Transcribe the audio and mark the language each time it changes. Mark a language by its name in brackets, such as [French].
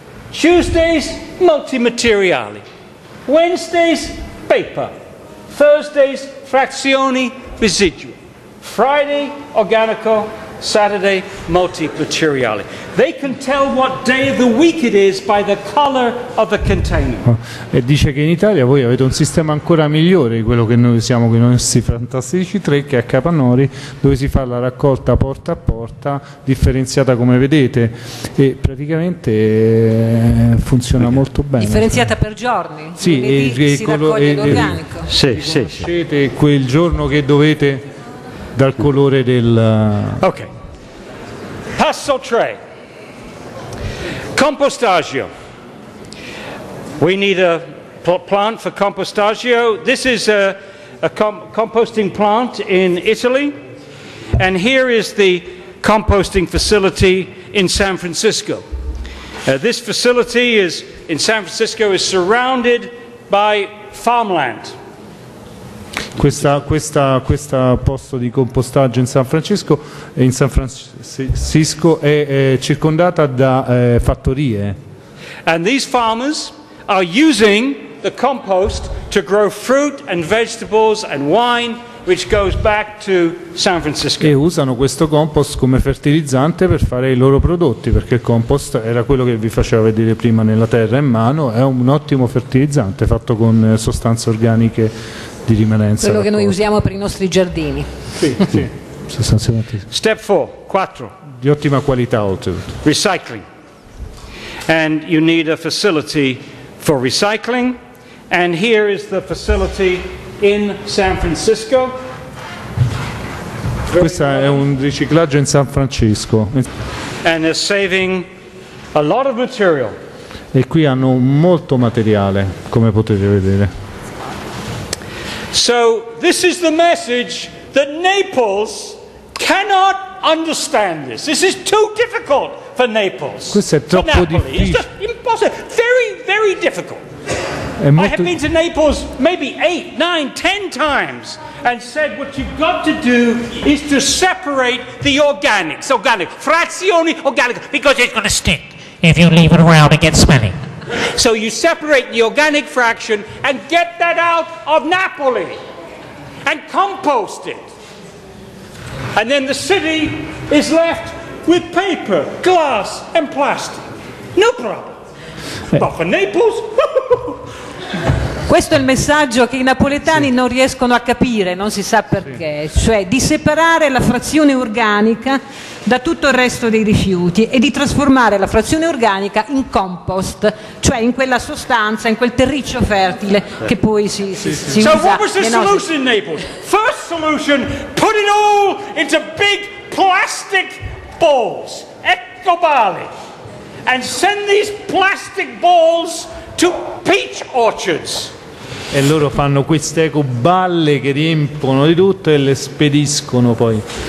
[English] Tuesdays, multimateriali. Wednesdays, paper. Thursdays, [Italian] frazioni residua. [English] Friday, organico. Saturday, multimateriali. They can tell what day of the week it is by the color of the container. [Italian] E dice che in Italia voi avete un sistema ancora migliore di quello che noi siamo con i nostri fantastici 3, che è a Capannori, dove si fa la raccolta porta a porta, differenziata come vedete, e praticamente funziona molto bene. Differenziata per giorni? Sì, e l'organico. Quel giorno che dovete dal colore del. Ok. Passo 3. Compostaggio. [English] We need a plant for compostaggio. This is a composting plant in Italy. And here is the composting facility in San Francisco. This facility is in San Francisco is surrounded by farmland. [Italian] Questo posto di compostaggio in San Francisco è circondata da fattorie. [English] And these farmers are using the compost to grow fruit and vegetables and wine, which goes back to San Francisco. [Italian] E usano questo compost come fertilizzante per fare i loro prodotti, perché il compost era quello che vi faceva vedere prima nella terra in mano, è un ottimo fertilizzante fatto con sostanze organiche di rimanenza. Quello che noi usiamo per i nostri giardini. Sì, sì. Sostanzialmente. [English] Step 4, 4. [Italian] Di ottima qualità oltretutto. [English] Recycling. And you need a facility for recycling. And here is the facility in San Francisco. [Italian] Questo è un riciclaggio in San Francisco. [English] And they're saving a lot of material. [Italian] E qui hanno molto materiale, come potete vedere. [English] So this is the message that Naples cannot understand. This. This is too difficult for Naples. [Italian] Questo è troppo difficile. [English] It's just impossible. Very, very difficult. I have been to Naples maybe 8, 9, 10 times and said what you've got to do is to separate the organics, organic, [Italian] frazioni organica, [English] because it's going to stink if you leave it around and get smelly. So you separate the organic fraction and get that out of Napoli and compost it. And then the city is left with paper, glass and plastic. No problem. But for Naples... [Italian] Questo è il messaggio che i napoletani non riescono a capire, non si sa perché, cioè di separare la frazione organica da tutto il resto dei rifiuti e di trasformare la frazione organica in compost, cioè in quella sostanza, in quel terriccio fertile che poi si usa. [English] So what was the solution in Naples? First solution, put it all into big plastic balls, ecobali, and send these plastic balls to peach orchards. [Italian] E loro fanno queste ecoballe che riempiono di tutto e le spediscono poi.